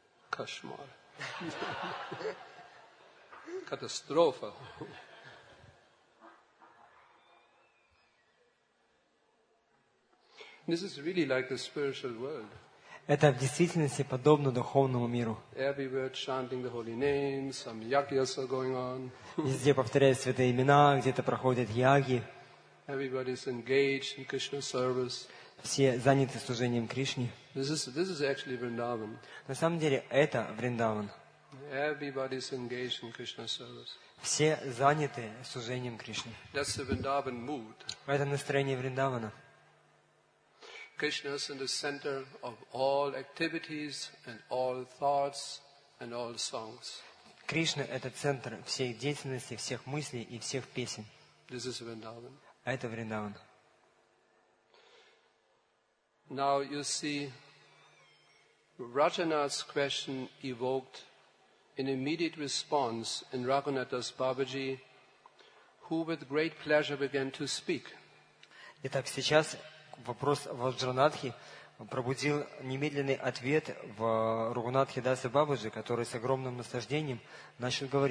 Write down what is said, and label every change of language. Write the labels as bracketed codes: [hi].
[ru] Кошмар. Катастрофа. [en] This is really like the spiritual world. [ru] Это в действительности подобно духовному миру. [en] Everywhere chanting the holy names, some yagyas are going on. [ru] Везде повторяют святые имена, где-то проходят яги. [en] Everybody is engaged in Krishna service. [ru] Все заняты служением Кришне. [en] This is actually Vrindavan. [ru] На самом деле это Вриндаван. [en] Everybody is engaged in Krishna service. [ru] Все заняты служением Кришне. [en] That's the Vrindavan mood. [ru] Это настроение Вриндавана. [en] Krishna is in the center of all activities and all thoughts and all songs. [ru] Кришна это центр всей деятельности, всех мыслей и всех песен. [en] This is Vrindavan. [ru] А это Вриндаван. [en] Now you see, Rajanath's question evoked an immediate response in Raghunatha's Babaji, who with great pleasure began to speak. [ru] Итак, сейчас вопрос Раджанатхи пробудил немедленный ответ в Рагунатхе Даса Бабаджи, который с огромным наслаждением начал